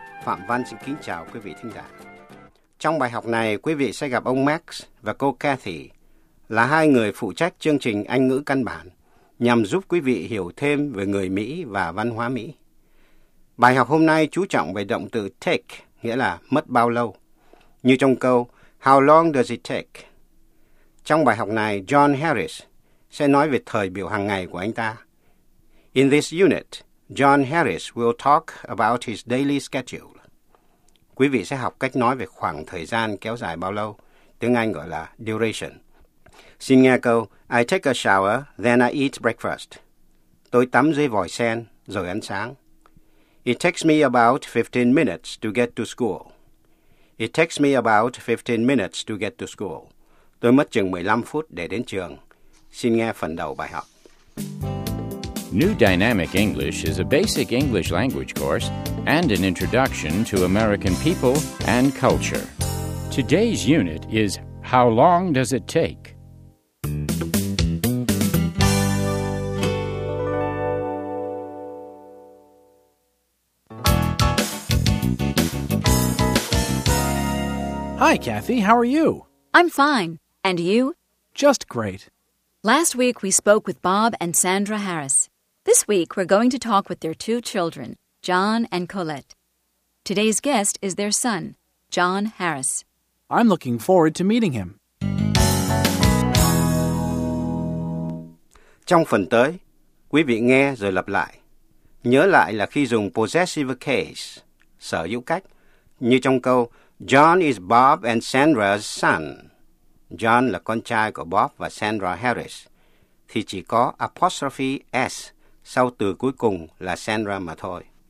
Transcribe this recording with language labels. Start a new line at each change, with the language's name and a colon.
Vietnamese: Phạm Văn xin kính chào quý vị thính giả. Trong bài học này, quý vị sẽ gặp ông Max và cô Kathy là hai người phụ trách chương trình Anh ngữ căn bản nhằm giúp quý vị hiểu thêm về người Mỹ và văn hóa Mỹ. Bài học hôm nay chú trọng về động từ take, nghĩa là mất bao lâu. Như trong câu
English: How long does it take?
Vietnamese: Trong bài học này, John Harris sẽ nói về thời biểu hàng ngày của anh ta.
English: In this unit, John Harris will talk about his daily schedule.
Vietnamese: Quý vị sẽ học cách nói về khoảng thời gian kéo dài bao lâu, tiếng Anh gọi là duration. Xin nghe câu,
English: I take a shower, then I eat breakfast.
Vietnamese: Tôi tắm dưới vòi sen, rồi ăn sáng.
English: It takes me about 15 minutes to get to school. It takes me about 15 minutes to get to school.
Vietnamese: Tôi mất chừng 15 phút để đến trường. Xin nghe phần đầu bài học.
English: New Dynamic English is a basic English language course and an introduction to American people and culture. Today's unit is How long does it take? Hi, Kathy. How are you? I'm fine. And you? Just great. Last week, we spoke with Bob and Sandra Harris. This week, we're going to talk with their two children, John and Colette. Today's guest is their son, John Harris. I'm looking forward to meeting him.
Vietnamese: Trong phần tới, quý vị nghe rồi lặp lại. Nhớ lại là khi dùng possessive case, sở hữu cách, như trong câu
English: John is Bob and Sandra's son.
Vietnamese: John là con trai của Bob và Sandra Harris, thì chỉ có apostrophe S sau từ cuối cùng là Sandra mà thôi.